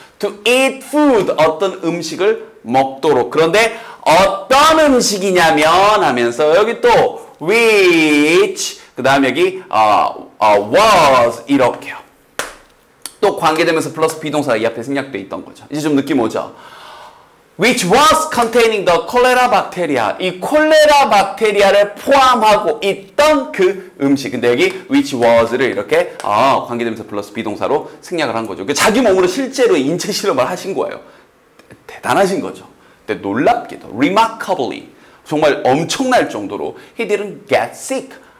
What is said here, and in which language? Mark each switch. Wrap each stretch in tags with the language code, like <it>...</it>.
<en>To eat food,</en> <ko>어떤 음식을 먹도록. 그런데 어떤 음식이냐면 하면서 여기 또 which, 그 다음 여기 was 이렇게요. 또 관계되면서 플러스 비동사가 이 앞에 생략되어 있던 거죠. 이제 좀 느낌 오죠?</ko> <en>Which was containing the cholera bacteria.</en> <ko>이 콜레라 박테리아를 포함하고 있던 그 음식. 근데 여기 which was를 이렇게 관계되면서 플러스 비동사로 생략을 한 거죠. 자기 몸으로 실제로 인체 실험을 하신 거예요. 대단하신 거죠. 근데 놀랍게도 remarkably 정말 엄청날 정도로</ko> <en>he didn't get sick.</en>